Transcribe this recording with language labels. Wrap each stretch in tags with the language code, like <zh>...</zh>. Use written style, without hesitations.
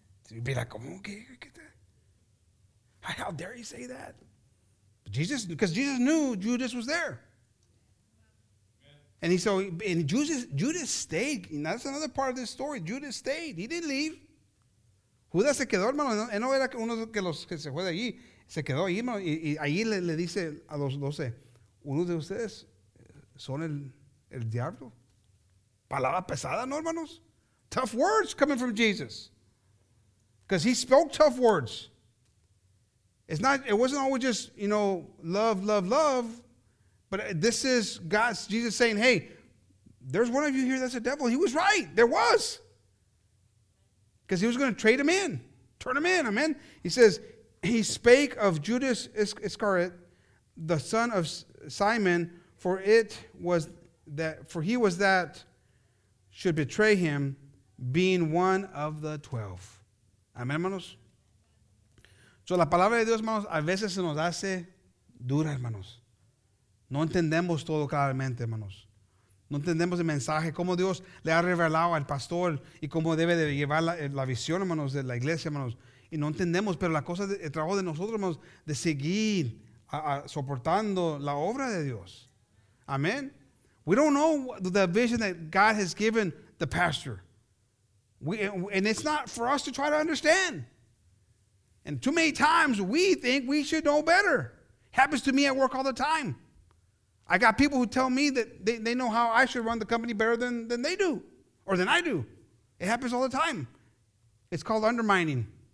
<en>You'd be like, come on, get that. How dare you say that? Because Jesus knew Judas was there. Amen. And Judas stayed. And that's another part of this story. Judas stayed. He didn't leave.</en> <es>Judas se quedó, hermano. Él no era uno de los que se fue de allí. Se quedó ahí, hermano. Y ahí le dice a los 12, uno de ustedes son el diablo. Palabra pesada, ¿no, hermanos?</es> <en>Tough words coming from Jesus. Because he spoke tough words. It's not. It wasn't always just, you know, love, love, love. But this is God's, Jesus saying, hey, there's one of you here that's a devil. He was right. There was. Because he was going to trade him in. Turn him in. Amen. He says, he spake of Judas Iscariot, the son of Simon, for he was that should betray him, being one of the 12.</en> <es>Amén, hermanos. So, la palabra de Dios, hermanos, a veces se nos hace dura, hermanos. No entendemos todo claramente, hermanos. No entendemos el mensaje, cómo Dios le ha revelado al pastor y cómo debe de llevar la visión, hermanos, de la iglesia, hermanos. Y no entendemos, pero la cosa, el trabajo de nosotros, hermanos, de seguir soportando la obra de Dios. Amén.</es> <en>We don't know the vision that God has given the pastor. And it's not for us to try to understand. And too many times we think we should know better. Happens to me at work all the time. I got people who tell me that they know how I should run the company better than they do, or than I do. It happens all the time. It's called undermining.</en>